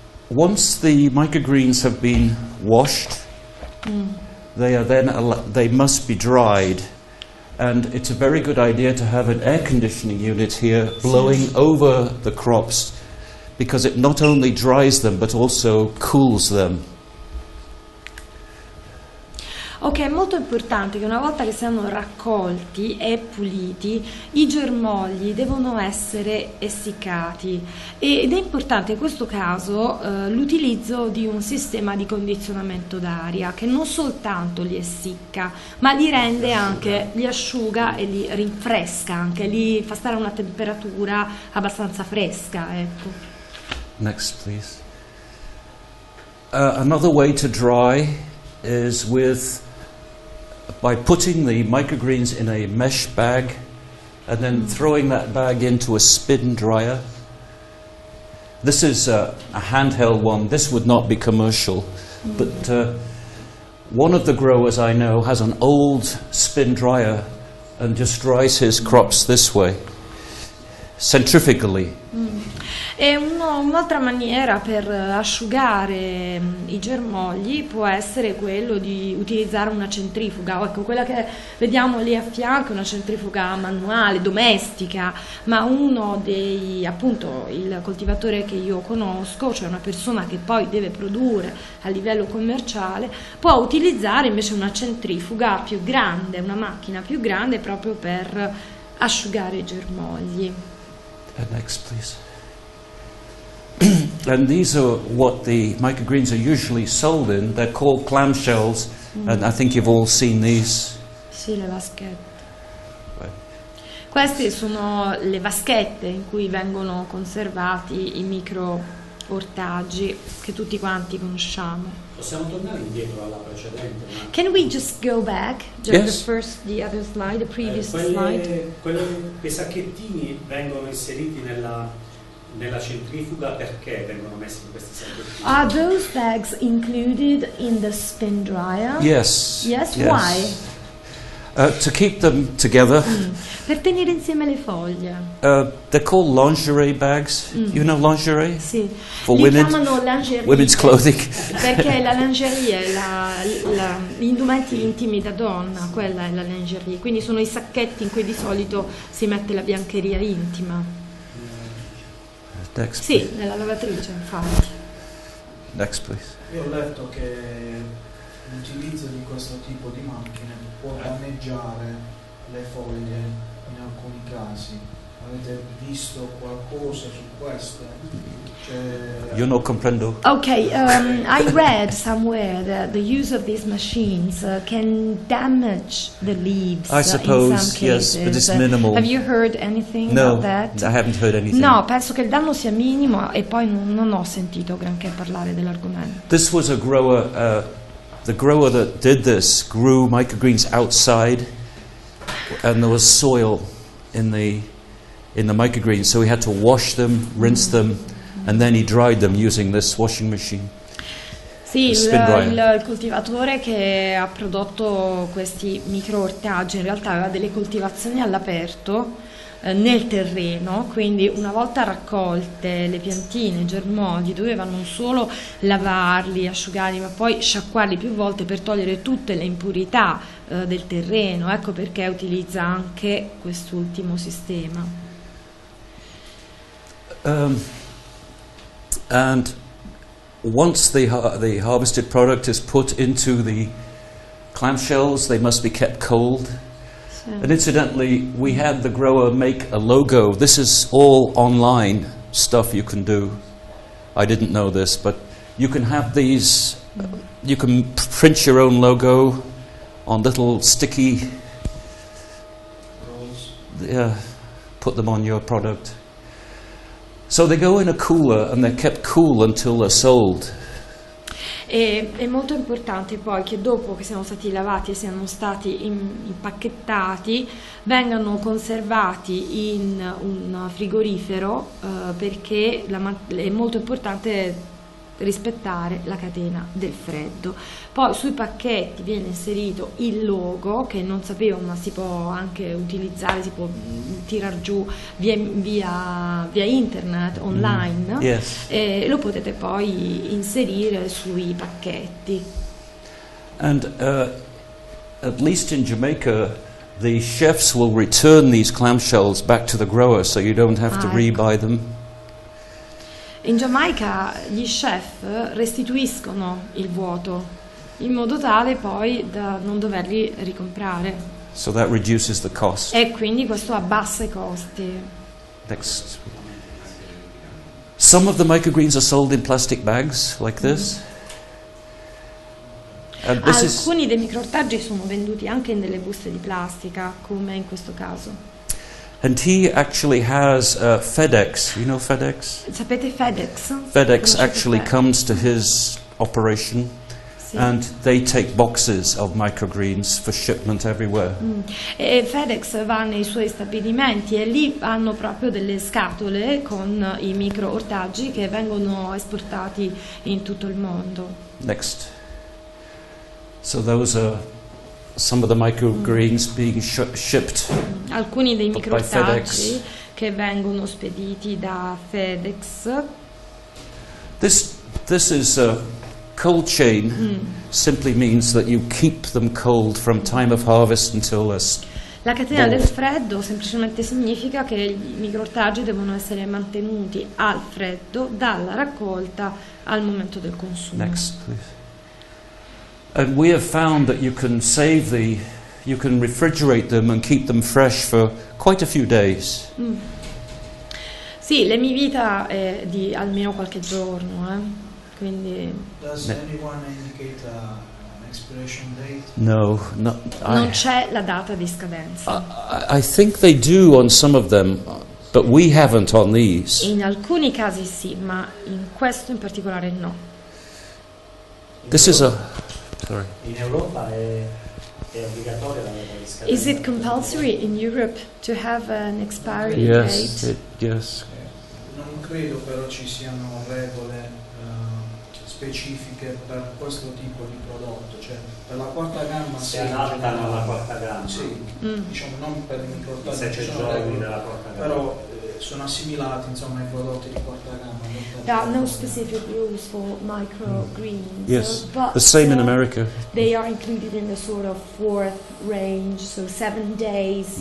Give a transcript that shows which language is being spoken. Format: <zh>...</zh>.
<en>Once the microgreens have been washed, they are then they must be dried, and it's a very good idea to have an air conditioning unit here blowing over the crops, because it not only dries them but also cools them.</en> <it>Ok, è molto importante che una volta che siano raccolti e puliti, i germogli devono essere essiccati. Ed è importante in questo caso l'utilizzo di un sistema di condizionamento d'aria che non soltanto li essicca, ma li rende anche, li asciuga e li rinfresca, anche li fa stare a una temperatura abbastanza fresca, ecco.</it> <en>Next, please. Another way to dry is by putting the microgreens in a mesh bag and then throwing that bag into a spin dryer. This is a handheld one. This would not be commercial. But one of the growers I know has an old spin dryer and just dries his crops this way, centrifugally.</en> <it>E un'altra maniera per asciugare i germogli può essere quello di utilizzare una centrifuga, ecco quella che vediamo lì a fianco, una centrifuga manuale, domestica, ma uno dei, appunto, il coltivatore che io conosco, cioè una persona che poi deve produrre a livello commerciale, può utilizzare invece una centrifuga più grande, una macchina più grande proprio per asciugare i germogli.</it> <en>And next, please. And these are what the microgreens are usually sold in. They're called clamshells, and I think you've all seen these.</en> <it>Sì, le vaschette. Queste sono le vaschette in cui vengono conservati i micro ortaggi che tutti quanti conosciamo. Possiamo tornare indietro alla precedente.</it> <en>Can we just go back to the other slide, the previous slide?</en> <it>Quei sacchettini vengono inseriti nella centrifuga, perché vengono messi in questi sacchettini?</it> <en>Are those bags included in the spin dryer? Yes. Why? To keep them together.</en> <it>Per tenere insieme le foglie.</it> <en>They're called lingerie bags. You know lingerie?</en> <it>Sì.</it> <en>For li women.</en> <it>Chiamano lingerie.</it> <en>Women's clothing.</en> <it>Perché la lingerie, gli indumenti intimi da donna, quella è la lingerie. Quindi sono i sacchetti in cui di solito si mette la biancheria intima.</it> <en>Next,</en> <it>sì, nella lavatrice, infatti.</it> <en>Next, please.</en> <it>Io ho letto che l'utilizzo di questo tipo di macchine può danneggiare le foglie in alcuni casi. Avete visto qualcosa su questo? Io non comprendo.</it> <en>Ok, I read somewhere that the use of these machines can damage the leaves. I suppose, in some cases. Yes, but it's minimal. Have you heard anything about that? No, I haven't heard anything.</en> <it>No, penso che il danno sia minimo e poi non ho sentito granché parlare dell'argomento.</it> <en>This was a grower. The grower that did this grew microgreens outside, and there was soil in the microgreens, so he had to wash them, rinse them, and then he dried them using this washing machine.</en> <it>Sì, il coltivatore che ha prodotto questi microortaggi in realtà aveva delle coltivazioni all'aperto nel terreno, quindi una volta raccolte le piantine, i germogli, doveva non solo lavarli, asciugarli, ma poi sciacquarli più volte per togliere tutte le impurità del terreno. Ecco perché utilizza anche quest'ultimo sistema.</it> <en>And once the harvested product is put into the clamshells, they must be kept cold. And incidentally, we had the grower make a logo. This is all online stuff you can do. I didn't know this, but you can have these, you can print your own logo on little sticky rolls. Yeah, put them on your product. So they go in a cooler and they're kept cool until they're sold.</en> <it>E è molto importante poi che dopo che siano stati lavati e siano stati impacchettati vengano conservati in un frigorifero perché è molto importante rispettare la catena del freddo. Poi sui pacchetti viene inserito il logo, che non sapevo, ma si può anche utilizzare, si può tirar giù via internet, online.</it> <en>Yes.</en> <it>E lo potete poi inserire sui pacchetti.</it> <en>And at least in Jamaica the chefs will return these clamshells back to the grower, so you don't have to rebuy them.</en> <it>In Giamaica gli chef restituiscono il vuoto in modo tale poi da non doverli ricomprare.</it> <en>So that reduces the cost.</en> <it>E quindi questo abbassa i costi.</it> <en>Next. Some of the microgreens are sold in plastic bags like this.</en> <it>Alcuni dei microortaggi sono venduti anche in delle buste di plastica, come in questo caso.</it> <en>And he actually has FedEx. You know FedEx?</en> <it>Sapete FedEx?</it> <en>FedEx actually comes to his operation. And they take boxes of microgreens for shipment everywhere.</en> <it>E FedEx va nei suoi stabilimenti e lì hanno proprio delle scatole con i microortaggi che vengono esportati in tutto il mondo.</it> <en>Next. So those are some of the microgreens being shipped.</en> <it>Alcuni dei microortaggi che vengono spediti da FedEx.</it> <en>This is a cold chain. Simply means that you keep them cold from time of harvest until this.</en> <it>La catena del freddo semplicemente significa che i microortaggi devono essere mantenuti al freddo dalla raccolta al momento del consumo.</it> <en>Next, please. And we have found that you can save the, you can refrigerate them and keep them fresh for quite a few days.</en> <it>Sì, la mia vita è di almeno qualche giorno, quindi.</it> <en>Does anyone indicate an expiration date? No,</en> <it>non c'è la data di scadenza.</it> <en>I think they do on some of them, but we haven't on these.</en> <it>In alcuni casi sì, ma in questo in particolare no.</it> <en>This is a.</en> <it>In Europa è obbligatorio la data di scadenza.</it> <en>Is it compulsory in Europe to have an expiry date? Yes, yes.</en> <it>Non credo però ci siano regole specifiche. specifiche per questo tipo di prodotto, cioè per la quarta gamma si adattano alla quarta gamma, sì. Diciamo non per l'importanza, se c'è giovani della quarta gamma, però sono assimilati insomma ai prodotti di quarta gamma.</it> <en>There are no specific rules for microgreens. Yes, but the same in America. They are included in the sort of fourth range, so 7 days.</en>